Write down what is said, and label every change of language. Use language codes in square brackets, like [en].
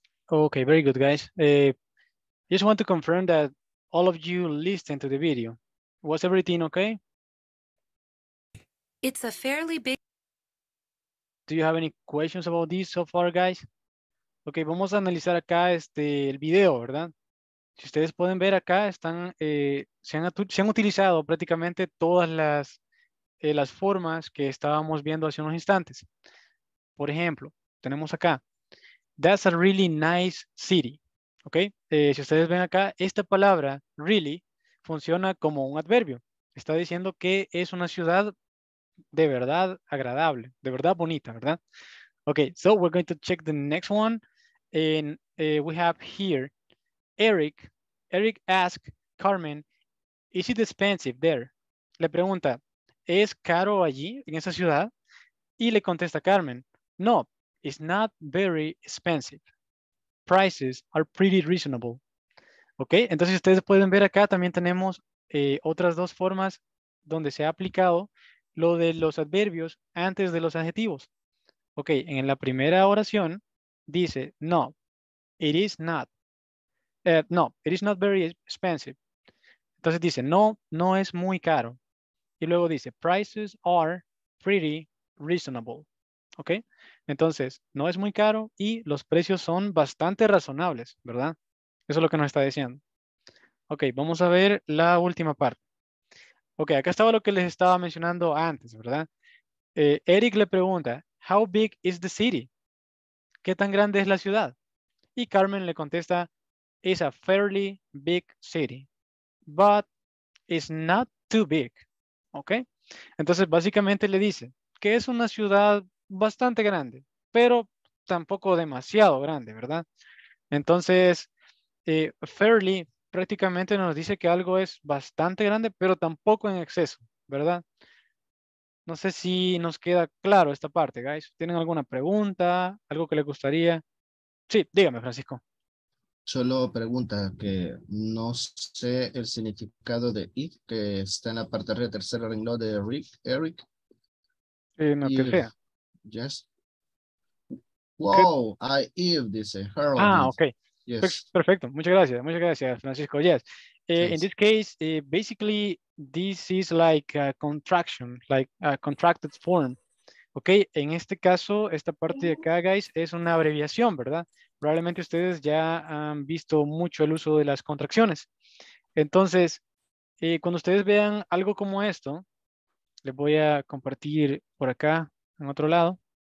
[en] Okay, very good, guys. I just want to confirm that all of you listened to the video. Was everything okay? It's a fairly big. Do you have any questions about this so far, guys? [es] Ok, vamos a analizar acá el video, ¿verdad? Si ustedes pueden ver acá, se han utilizado prácticamente todas las formas que estábamos viendo hace unos instantes. Por ejemplo, tenemos acá, [en] That's a really nice city. [es] Okay. Si ustedes ven acá, esta palabra really funciona como un adverbio. Está diciendo que es una ciudad de verdad agradable, de verdad bonita, ¿verdad? [en] Okay, so we're going to check the next one. And we have here Eric. Eric asks Carmen, is it expensive there? [es] Le pregunta, ¿es caro allí, en esa ciudad? Y le contesta Carmen, no, [en] it's not very expensive. Prices are pretty reasonable. [es] Okay, entonces ustedes pueden ver acá, también tenemos otras dos formas donde se ha aplicado lo de los adverbios antes de los adjetivos. Ok, en la primera oración dice, no, [en] it is not. [es] No, [en] it is not very expensive. [es] Entonces dice, no, no es muy caro. Y luego dice, [en] prices are pretty reasonable. [es] Ok, entonces, no es muy caro y los precios son bastante razonables, ¿verdad? Eso es lo que nos está diciendo. Ok, vamos a ver la última parte. Ok, acá estaba lo que les estaba mencionando antes, ¿verdad? Eric le pregunta, [en] how big is the city? [es] ¿Qué tan grande es la ciudad? Y Carmen le contesta, [en] it's a fairly big city, but it's not too big. [es] Ok, entonces básicamente le dice que es una ciudad bastante grande, pero tampoco demasiado grande, ¿verdad? Entonces, fairly prácticamente nos dice que algo es bastante grande, pero tampoco en exceso, ¿verdad? No sé si nos queda claro esta parte, guys. ¿Tienen alguna pregunta? ¿Algo que les gustaría? Sí, dígame, Francisco. Solo pregunta, que no sé el significado de it, que está en la parte de tercer renglón de Rick, Eric. No, y, que sea. [en] Yes. Wow, I Eve, [es] dice [en] Harold. [es] Ah, ok. Yes. Perfecto, muchas gracias, Francisco. Yes. Yes. [en] In this case, basically, this is like a contraction, like a contracted form. [es] Ok, en este caso, esta parte de acá, guys, es una abreviación, ¿verdad? Probablemente ustedes ya han visto mucho el uso de las contracciones. Entonces, cuando ustedes vean algo como esto, les voy a compartir por acá, en otro lado.